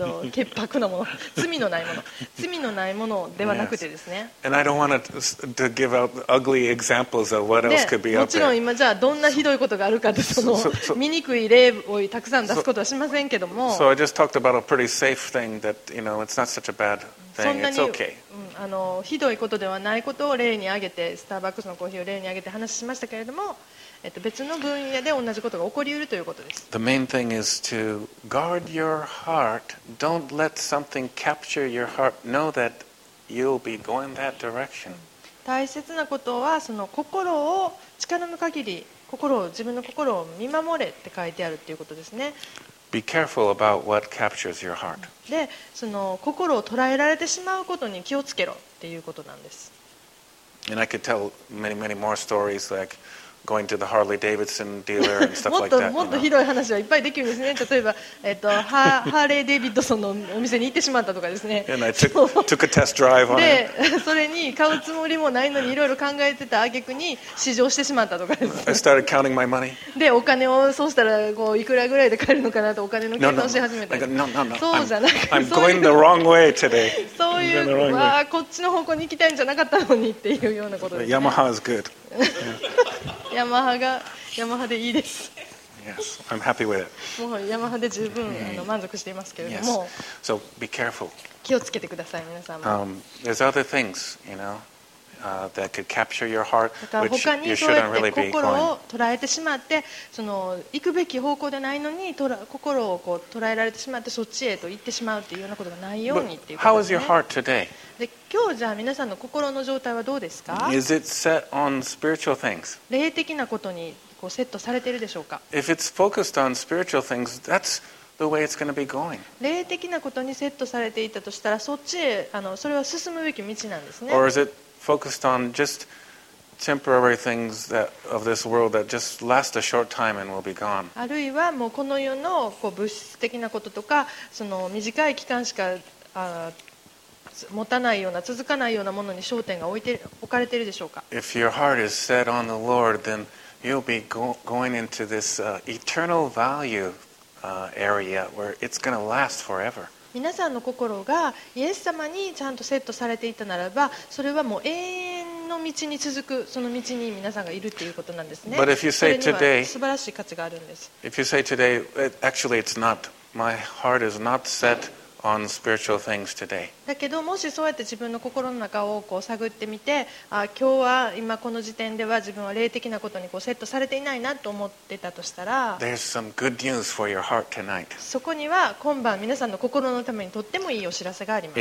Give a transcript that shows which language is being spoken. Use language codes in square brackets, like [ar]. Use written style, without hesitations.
[ja] 潔白なもの、罪のないもの、罪のないものではなくてですね。 [en] Yes. And I don't want to give out ugly examples of what else could be out there. [ja] もちろん今じゃあどんなひどいことがあるかって、その醜い例をたくさん出すことはしませんけども。 [en] So I just talked about a pretty safe thing that, you know, it's not such a bad thing. It's okay. [ja] あのひどいことではないことを例に挙げて、スターバックスのコーヒーを例に挙げて話しましたけれども、別の分野で同じことが起こりうるということです。 [en] The main thing is to guard your heart. Don't let something capture your heart. Know that you'll be going that direction. [ja] 大切なことはその心を力の限り心を自分の心を見守れって書いてあるということですね。 [en] Be careful about what captures your heart. [ja] で、その心を捉えられてしまうことに気をつけろっていうことなんです。 [en] And I could tell many, many more stories like going to the Harley Davidson dealer and stuff like that. [ja] もっとひどい話はいっぱいできるんですね。例えば、ハーレーデイビッドソンのお店に行ってしまったとかですね。 [en] And I took a test drive on it. [ja] で、それに買うつもりもないのにいろいろ考えてた挙句に試乗してしまったとかですね。 [en] I started counting my money. [ja] で、お金をそうしたらこういくらぐらいで買えるのかなとお金の計算をし始めた。 [en] No. [ja] そうじゃなくて、 [en] I'm going the wrong way today. [ja] そういう、わあ、こっちの方向に行きたいんじゃなかったのにっていうようなことですね。 [en] Yamaha is good. [ja] ヤマハがヤマハでいいです。 [en] Yes, I'm happy with it. [ja] もうヤマハで十分、満足していますけれども。 [en] Yes. So be careful. [ja] 気をつけてください、皆さんも。 [en] There's other things, you know, that could capture your heart, which you shouldn't really be going. [ja] 心を捉えてしまって、その行くべき方向でないのに、心をこう捉えられてしまって、そっちへと行ってしまうっていうようなことがないようにっていうことですね。 [en] How is your heart today? [ja] で、今日じゃあ皆さんの心の状態はどうですか? [en] Is it set on spiritual things? [ja] 霊的なことにこうセットされているでしょうか? [en] If it's focused on spiritual things, that's the way it's going to be going. [ja] 霊的なことにセットされていたとしたら、そっちへそれは進むべき道なんですね。 [en] Or is it focused on just temporary things that of this world that just last a short time and will be gone? [ja] あるいはもうこの世のこう物質的なこととか、その短い期間しか持たないような続かないようなものに焦点が置かれているでしょうか。 [en] If your heart is set on the Lord, then you'll be going into this eternal value area where it's going to last forever. [ja] 皆さんの心がイエス様にちゃんとセットされていたならば、それはもう永遠の道に続く、その道に皆さんがいるということなんですね。 [en] But if you say today, [ja] 素晴らしい価値があるんです。 [en] If you say today, actually it's not. My heart is not setOn spiritual things today. [ja] だけどもしそうやって自分の心の中をこう探ってみて、今日は今この時点では自分は霊的なことにこうセットされていないなと思ってたとしたら、 [en] There's some good news for your heart tonight. [ja] そこには今晩皆さんの心のためにとってもいいお知らせがあります。